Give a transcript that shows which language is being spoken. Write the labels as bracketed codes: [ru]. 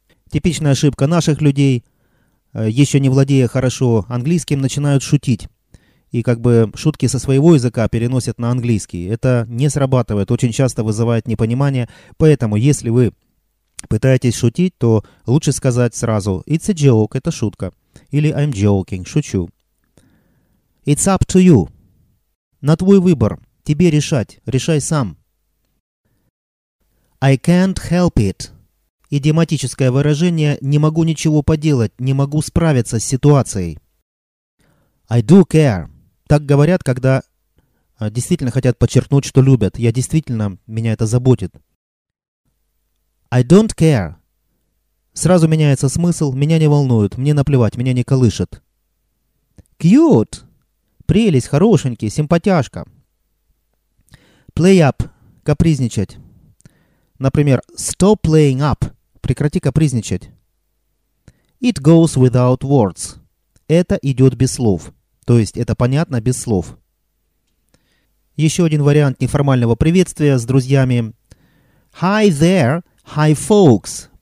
[ru] Типичная ошибка наших людей, еще не владея хорошо английским, начинают шутить. И как бы шутки со своего языка переносят на английский. Это не срабатывает, очень часто вызывает непонимание. Поэтому, если вы пытаетесь шутить, то лучше сказать сразу [en] «It's a joke» [ru] — это шутка. Или [en] «I'm joking» [ru] — шучу. [en] «It's up to you» [ru] — на твой выбор. Тебе решать. Решай сам. [en] «I can't help it» [ru] — идиоматическое выражение «не могу ничего поделать, не могу справиться с ситуацией». [en] I do care. [ru] Так говорят, когда действительно хотят подчеркнуть, что любят. Я действительно, меня это заботит. [en] I don't care. [ru] Сразу меняется смысл. Меня не волнует. Мне наплевать. Меня не колышет. [en] Cute. [ru] Прелесть, хорошенький, симпатяшка. [en] Play up. [ru] Капризничать. [en] Например, stop playing up. [ru] Прекрати капризничать. [en] It goes without words. [ru] Это идет без слов. То есть это понятно без слов. Еще один вариант неформального приветствия с друзьями. [en] Hi there, hi folks.